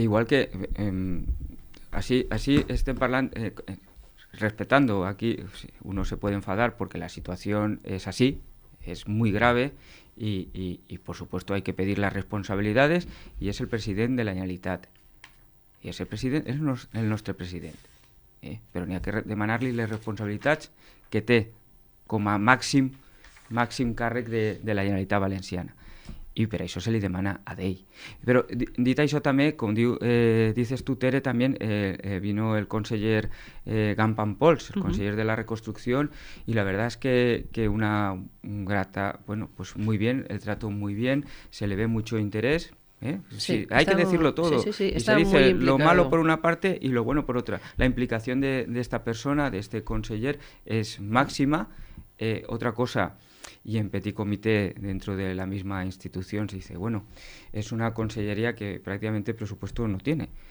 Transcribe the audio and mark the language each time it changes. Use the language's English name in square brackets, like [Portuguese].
[Spanish] Igual que así estén hablando, respetando aquí, uno se puede enfadar porque la situación es así, es muy grave y por supuesto hay que pedir las responsabilidades, y es el presidente de la Generalitat. Y ese presidente es [Catalan] el nostre president. Però n'hi ha que demanar-li les responsabilitats que té com a màxim càrrec de la Generalitat Valenciana. I per això se li demana a d'ell. Però dit això també, com diu, dices tu, Tere, també vino el conseller Gampampols, el conseller de la Reconstrucció, i la veritat és que una grata, [Spanish] pues muy bien, el trato muy bien, se le ve mucho interés. Hay que decirlo todo. Sí, y se dice lo malo por una parte y lo bueno por otra. La implicación de esta persona, de este conseller, es máxima. Otra cosa, y en petit comité dentro de la misma institución, se dice, bueno, es una consellería que prácticamente presupuesto no tiene.